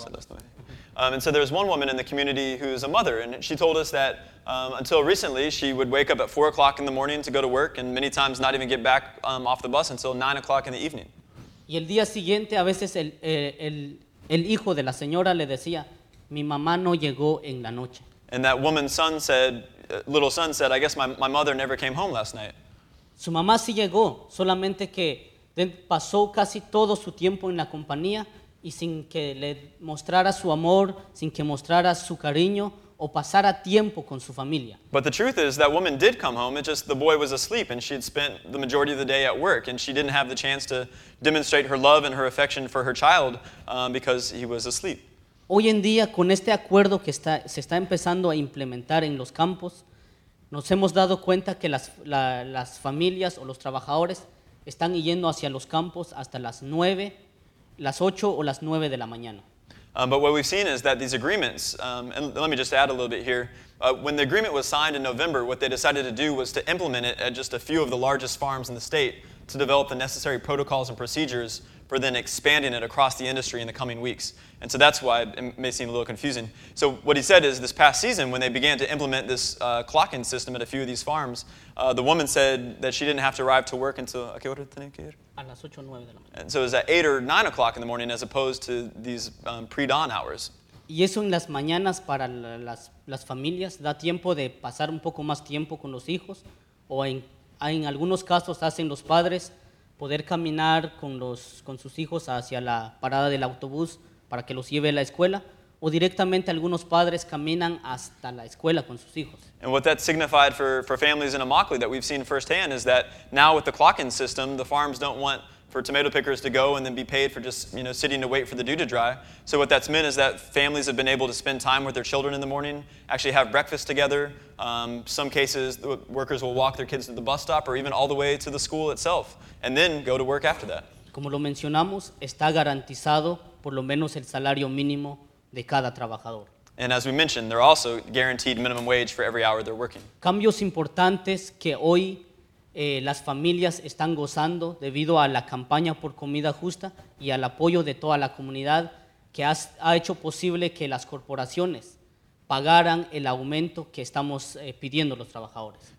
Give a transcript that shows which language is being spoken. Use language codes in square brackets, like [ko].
[en] So that's the way. And so there's one woman in the community who is a mother, and she told us that until recently she would wake up at 4 o'clock in the morning to go to work and many times not even get back off the bus until 9 o'clock in the evening. [es] Y el día siguiente a veces el hijo de la señora le decía, mi mamá no llegó en la noche. [en] And that woman's son said, little son said, I guess my mother never came home last night. [es] Su mamá sí llegó, solamente que pasó casi todo su tiempo en la compañía y sin que le mostrara su amor, sin que mostrara su cariño o pasara tiempo con su familia. [en] But the truth is that woman did come home, it's just the boy was asleep and she had spent the majority of the day at work and she didn't have the chance to demonstrate her love and her affection for her child because he was asleep. [es] Hoy en día, con este acuerdo que se está empezando a implementar en los campos, nos hemos dado cuenta que las familias o los trabajadores están yendo hacia los campos hasta las 9, las 8 o las 9 de la mañana. [en] But what we've seen is that these agreements, and let me just add a little bit here, when the agreement was signed in November, what they decided to do was to implement it at just a few of the largest farms in the state to develop the necessary protocols and procedures for then expanding it across the industry in the coming weeks. And so that's why it may seem a little confusing. So what he said is this past season, when they began to implement this clock-in system at a few of these farms, the woman said that she didn't have to arrive to work until... Okay, what did the name get? And so it was at 8 or 9 o'clock in the morning as opposed to these pre-dawn hours. [es] Y eso en las mañanas para las familias da tiempo de pasar un poco más tiempo con los hijos o en algunos casos hacen los padres poder caminar con sus hijos hacia la parada del autobús para que los lleve a la escuela o directamente algunos padres caminan hasta la escuela con sus hijos. [en] And what that signified for families in Immokalee that we've seen firsthand is that now with the clock-in system, the farms don't want for tomato pickers to go and then be paid for just, you know, sitting to wait for the dew to dry. So what that's meant is that families have been able to spend time with their children in the morning, actually have breakfast together. Some cases, the workers will walk their kids to the bus stop or even all the way to the school itself and then go to work after that. [es] Como lo mencionamos, está garantizado por lo menos el salario mínimo de cada trabajador. [en] And as we mentioned, they're also guaranteed minimum wage for every hour they're working. [es] Cambios importantes que hoy... las familias están gozando debido a la campaña por comida justa y al apoyo de toda la comunidad que ha hecho posible que las corporaciones pagaran el aumento que estamos pidiendo los trabajadores.